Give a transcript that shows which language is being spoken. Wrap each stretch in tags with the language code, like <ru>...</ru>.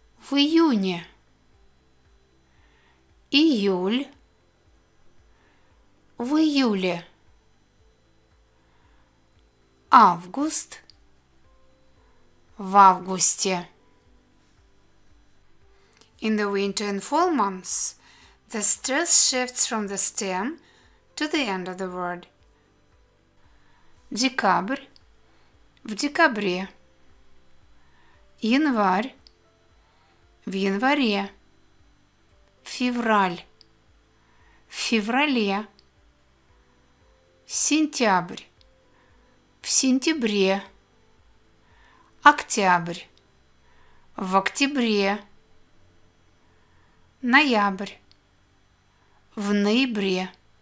<ru>В июне, июль, в июле, август, в августе.</ru> <en>In the winter and fall months, the stress shifts from the stem to the end of the word.</en> <ru>Декабрь, в декабре, январь, в январе, февраль, в феврале, сентябрь, в сентябре, октябрь, в октябре, ноябрь, в ноябре.</ru>